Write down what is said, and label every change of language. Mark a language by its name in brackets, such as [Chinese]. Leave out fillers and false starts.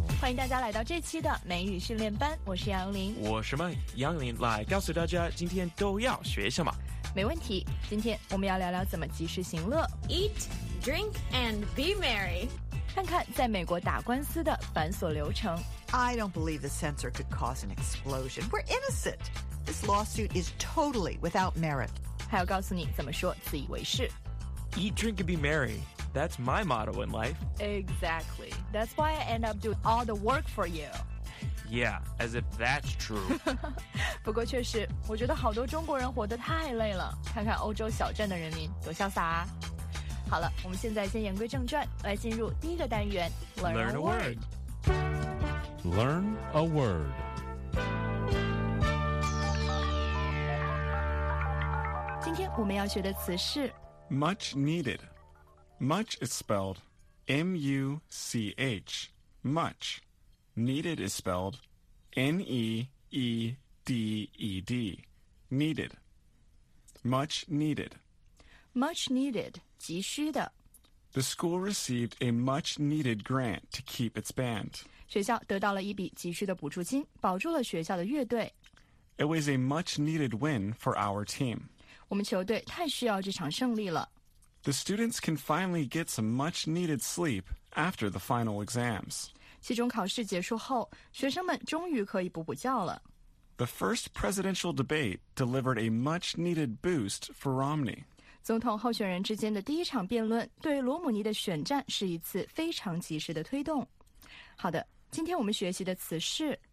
[Chinese] 迎大家来到这期的美语训练班，我是杨林。我是麦杨林，来告诉大家今天都要学什么。没问题，今天我们要聊聊怎么及时行乐。 [English] Eat, drink and be merry。 [Chinese] 看看在美国打官司的繁琐流程。 [English] I don't believe the censor could cause an explosion. We're innocent. This lawsuit is totally without merit. [Chinese] 还要告诉你怎么说自以为是。 [English] Eat, drink and be merryThat's my motto in life. Exactly. That's why I end up doing all the work for you. Yeah, as if that's true. [Chinese] 不过确实，我觉得好多中国人活得太累了。看看欧洲小镇的人民多潇洒啊！好了，我们现在先言归正传，来进入第一个单元 [English] ，Learn a word. Learn a word. [Chinese] 今天我们要学的词是 [English] much needed. Much is spelled M-U-C-H, much. Needed is spelled N-E-E-D-E-D, needed. Much needed. Much needed, [Chinese] 急需的。 [English] The school received a much needed grant to keep its band. [Chinese] 学校得到了一笔急需的补助金，保住了学校的乐队。 [English] It was a much needed win for our team. [Chinese] 我们球队太需要这场胜利了。 [English] The students can finally get some much-needed sleep after the final exams. [Chinese] 期中考试结束后，学生们终于可以补补觉了。 [English] The first presidential debate delivered a much-needed boost for Romney. [Chinese] 总统候选人之间的第一场辩论对罗姆尼的选战是一次非常及时的推动。好的，今天我们学习的词是